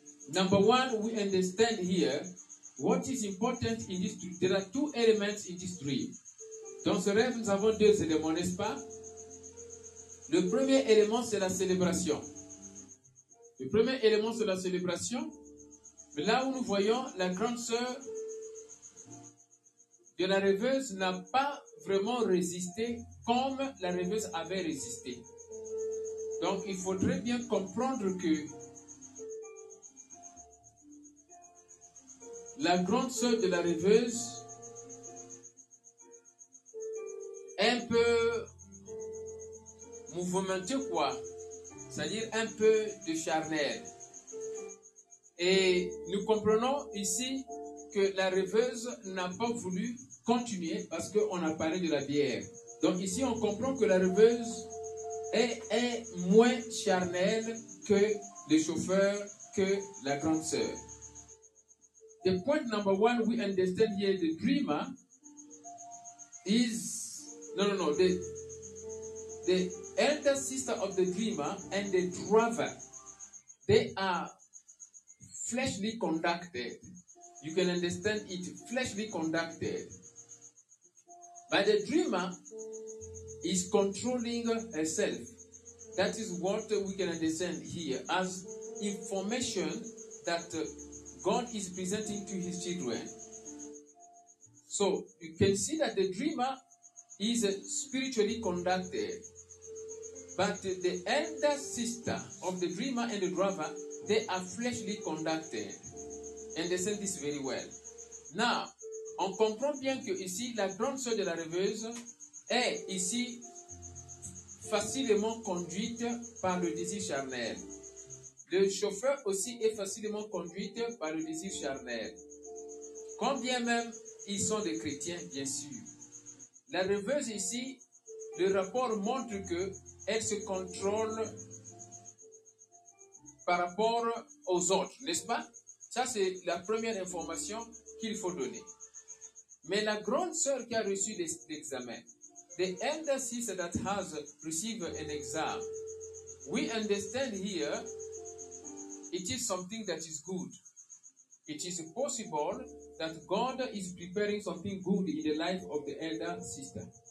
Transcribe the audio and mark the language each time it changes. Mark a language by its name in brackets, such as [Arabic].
[English] Number one, we understand here what is important in this dream. There are two elements in this dream. [French] Dans ce rêve, nous avons deux éléments, n'est-ce pas? Le premier élément, c'est la célébration. Le premier élément, c'est la célébration. Mais là où nous voyons, la grande sœur de la rêveuse n'a pas vraiment résisté comme la rêveuse avait résisté. Donc, il faudrait bien comprendre que la grande sœur de la rêveuse est un peu mouvementée, quoi. C'est-à-dire un peu de charnel. Et nous comprenons ici que la rêveuse n'a pas voulu continuer parce qu'on a parlé de la bière. Donc ici, on comprend que la rêveuse est moins charnelle que le chauffeur, que la grande sœur. [English] The point number one, we understand here the dreamer is... The elder sister of the dreamer and the driver, they are fleshly conducted. You can understand it, fleshly conducted. But the dreamer is controlling herself. That is what we can understand here as information that God is presenting to his children. So you can see that the dreamer is spiritually conducted. But the elder sister of the dreamer and the driver, they are fleshly conducted. Understand this very well. [French] Now, on comprend bien que ici, la grande sœur de la rêveuse est ici facilement conduite par le désir charnel. Le chauffeur aussi est facilement conduit par le désir charnel. Quand bien même ils sont des chrétiens, bien sûr. La rêveuse ici, le rapport montre que elle se contrôle par rapport aux autres, n'est-ce pas? Ça, c'est la première information qu'il faut donner. Mais la grande sœur qui a reçu l'examen, [English] the elder sister that has received an exam, we understand here, it is something that is good. It is possible that God is preparing something good in the life of the elder sister.